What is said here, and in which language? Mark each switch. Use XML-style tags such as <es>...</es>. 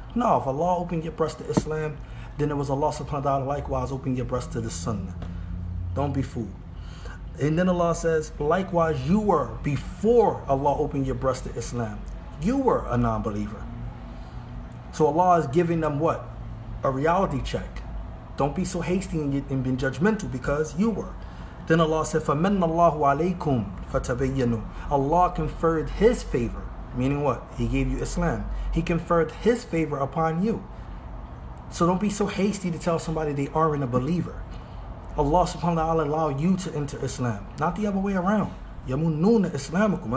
<en>No, if Allah opened your breast to Islam, then it was Allah subhanahu wa ta'ala likewise opened your breast to the Sunnah. Don't be fooled. And then Allah says, likewise, you were before Allah opened your breast to Islam. You were a non-believer. So Allah is giving them what? A reality check. Don't be so hasty and being judgmental because you were. Then Allah said,</en> <ar>فَمَنَّ اللَّهُ عَلَيْكُمْ فَتَبَيَّنُوا.</ar> <en>Allah conferred his favor. Meaning what? He gave you Islam. He conferred his favor upon you. So don't be so hasty to tell somebody they aren't a believer. Allah subhanahu wa ta'ala allowed you to enter Islam. Not the other way around.</en> <ar>يَمُنُّونَ إِسْلَامَكُمْ.</ar>